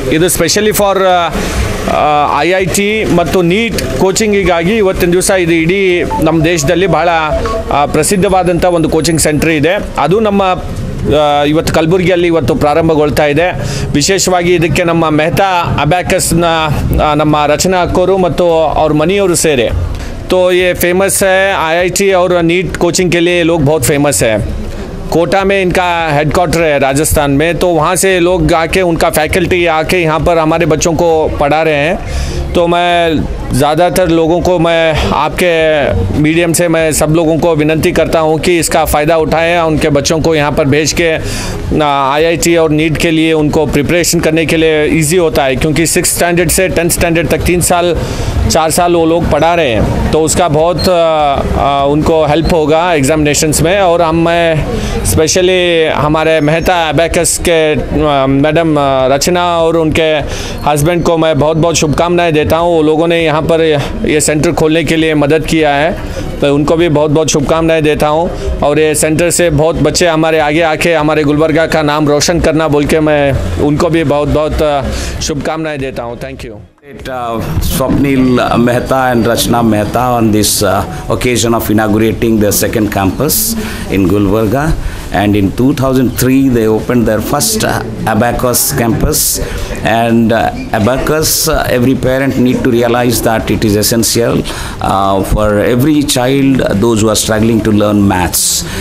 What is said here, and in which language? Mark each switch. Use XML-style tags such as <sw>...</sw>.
<kn>ಇದು specially for I I T ಮತ್ತು neat ಕೋಚಿಂಗಿಗಾಗಿ ಇವತ್ತಿನ ದಿವಸ ಇದು ಇಡೀ ನಮ್ಮ ದೇಶದಲ್ಲಿ ಭಾಳ ಪ್ರಸಿದ್ಧವಾದಂಥ ಒಂದು ಕೋಚಿಂಗ್ ಸೆಂಟರ್ ಇದೆ. ಅದು ನಮ್ಮ ಇವತ್ತು ಕಲಬುರಗಿಯಲ್ಲಿ ಇವತ್ತು ಪ್ರಾರಂಭಗೊಳ್ತಾ ಇದೆ. ವಿಶೇಷವಾಗಿ ಇದಕ್ಕೆ ನಮ್ಮ ಮೆಹ್ತಾ ಅಬ್ಯಾಕಸ್ನ ನಮ್ಮ ರಚನಾಕೋರು ಮತ್ತು ಅವ್ರ ಮನೆಯವರು ಸೇರಿ</kn> <hi>तो ये फेमस है. आई आई टी और नीट कोचिंग के लिए लोग बहुत फेमस है. कोटा में इनका हेडक्वार्टर है राजस्थान में, तो वहाँ से लोग आके उनका फैकल्टी आके यहाँ पर हमारे बच्चों को पढ़ा रहे हैं. तो मैं ज़्यादातर लोगों को, मैं आपके मीडियम से मैं सब लोगों को विनती करता हूँ कि इसका फ़ायदा उठाएं, उनके बच्चों को यहाँ पर भेज के आई आई टी और नीट के लिए उनको प्रिपरेशन करने के लिए ईजी होता है. क्योंकि 6th स्टैंडर्ड से 10th स्टैंडर्ड तक 3 साल 4 साल वो लोग पढ़ा रहे हैं, तो उसका बहुत उनको हेल्प होगा एग्जामिनेशंस में. और हम मैं स्पेशली हमारे मेहता अबेकस के मैडम रचना और उनके हस्बैंड को मैं बहुत बहुत शुभकामनाएं देता हूँ. वो लोगों ने यहाँ पर ये सेंटर खोलने के लिए मदद किया है, तो उनको भी बहुत बहुत शुभकामनाएं देता हूँ. और ये सेंटर से बहुत बच्चे हमारे आगे आके हमारे गुलबर्गा का नाम रोशन करना बोल के मैं उनको भी बहुत बहुत शुभकामनाएं देता हूँ.</hi> <en>Thank you. Swapnil Mehta and Rachna Mehta on this occasion of inaugurating their second campus in Gulbarga. And in 2003, they opened their first Abacus campus. And Abacus, every parent need to realize that it is essential for every child, those who are struggling to learn maths.</en>